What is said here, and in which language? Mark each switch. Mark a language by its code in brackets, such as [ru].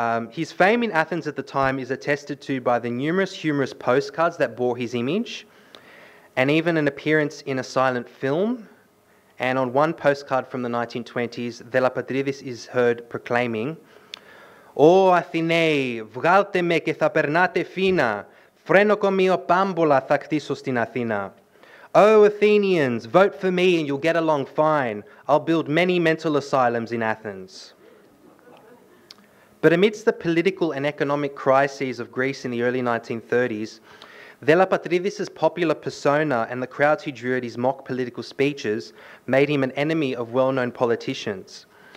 [en] His fame in Athens at the time is attested to by the numerous humorous postcards that bore his image, and even an appearance in a silent film. And on one postcard from the 1920s, Dellapatridis is heard proclaiming, [el] Ω Αθηναίοι, βγάλτε με και θα περνάτε φίνα. Φρένο κομείο πάμπολα θα κτίσω στην Αθήνα. Ω Αθηναίοι, [en] vote for me and you'll get along fine. I'll build many mental asylums in Athens. But amidst the political and economic crises of Greece in the early 1930s, Dellapatridis' popular persona and the crowds who drew at his mock political speeches made him an enemy of well-known politicians.